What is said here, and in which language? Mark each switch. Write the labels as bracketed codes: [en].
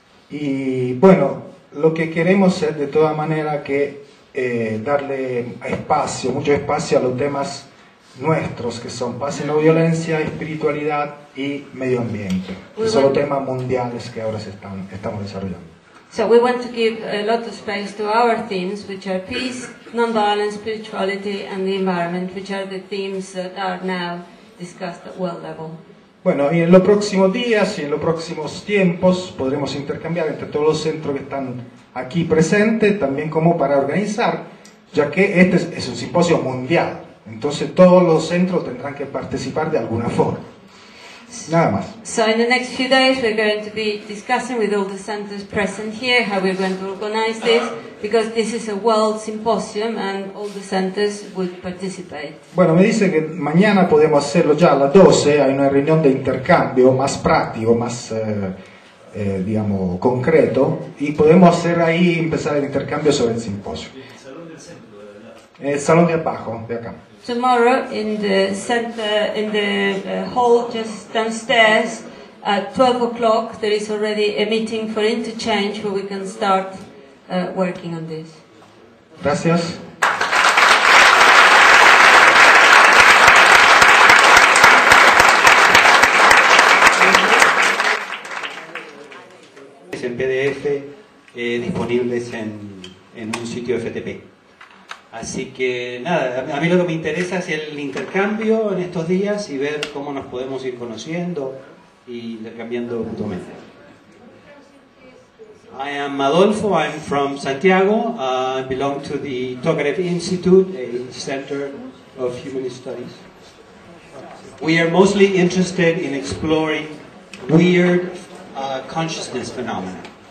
[es] Y bueno, lo que queremos es de toda manera que darle espacio, mucho espacio a los temas nuestros, que son paz y no violencia, espiritualidad y medio ambiente. Son los temas mundiales que ahora estamos desarrollando. [en] So we want to give a lot of space to our themes, which are peace, non-violence, spirituality and the environment, which are the themes that are now discussed at world level. [es] Bueno, y en los próximos días y en los próximos tiempos podremos intercambiar entre todos los centros que están aquí presentes, también como para organizar, ya que este es un simposio mundial. Entonces todos los centros tendrán que participar de alguna forma. Nada más. [en] So in the next few days we're going to be discussing with all the centers present here how we're going to organize this, because this is a world symposium and all the centers would participate. [es] Bueno, me dice que mañana podemos hacerlo ya a las 12, hay una reunión de intercambio más práctico, más digamos concreto, y podemos hacer ahí empezar el intercambio sobre el simposio. El salón de abajo, de acá. [en] Tomorrow in the center, in the hall just downstairs, at 12 o'clock, there is already a meeting for interchange where we can start working on this. [es] Gracias. Es en PDF, disponibles en un sitio FTP. Así que nada, a mí lo que me interesa es el intercambio en estos días y ver cómo nos podemos ir conociendo y intercambiando mutuamente. [en] I am Adolfo, I'm from Santiago, I belong to the Tokarev Institute, a center of human studies. We are mostly interested in exploring weird consciousness phenomena.